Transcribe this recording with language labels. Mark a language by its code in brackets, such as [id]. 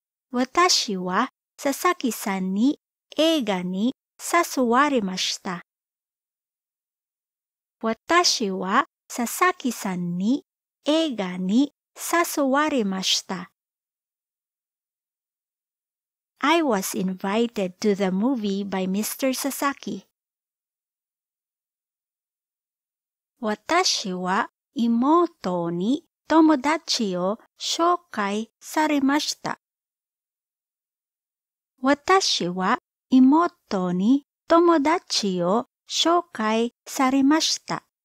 [ja] 私は佐々木さんに映画に誘われました。私は佐々木さんに映画に誘われました。 [en] I was invited to the movie by Mr. Sasaki. [ja] 私は妹に友達を紹介されました。私は妹に友達を紹介されました。